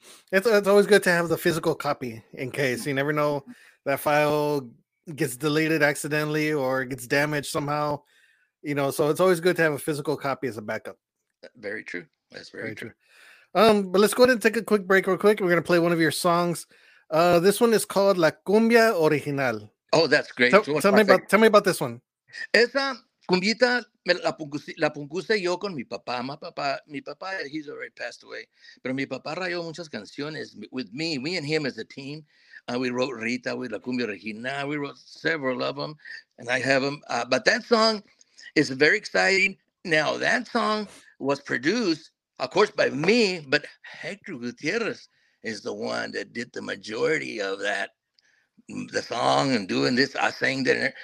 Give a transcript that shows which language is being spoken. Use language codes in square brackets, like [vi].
[en] It's always good to have the physical copy in case. You never know, that file gets deleted accidentally or gets damaged somehow. You know, so it's always good to have a physical copy as a backup. Very true. That's very, very true. But let's go ahead and take a quick break real quick. We're going to play one of your songs. This one is called La Cumbia Original. Oh, that's great. Tell me about this one. [es] Esa cumbita la puse yo con mi papá. [en] My papá, he's already passed away. [es] Pero mi papá rayó muchas canciones [en] with me and him as a team. We wrote Rita with La Cumbia Original. We wrote several of them, and I have them. But that song... It's very exciting. Now, that song was produced, of course, by me, but Hector Gutierrez is the one that did the majority of that, the song and doing this. I sang that.